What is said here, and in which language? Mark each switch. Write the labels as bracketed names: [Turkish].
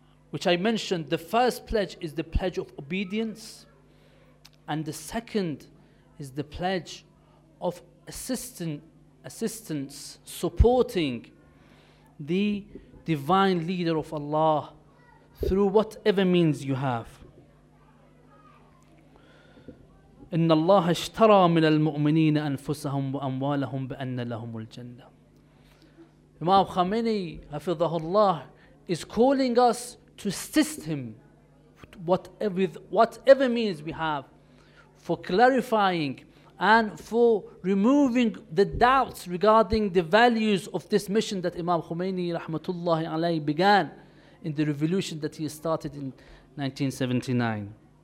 [English] which I mentioned, the first pledge is the pledge of obedience, and the second is the pledge of assistance, supporting the divine leader of Allah through whatever means you have. [Arabic] إن الله اشترى من المؤمنين أنفسهم وأموالهم بأن لهم الجنة. [English] Imam Khomeini, حفظه الله, is calling us to assist him with whatever means we have for clarifying and for removing the doubts regarding the values of this mission that Imam Khomeini, rahmatullahi alayhi, began in the revolution that he started in 1979.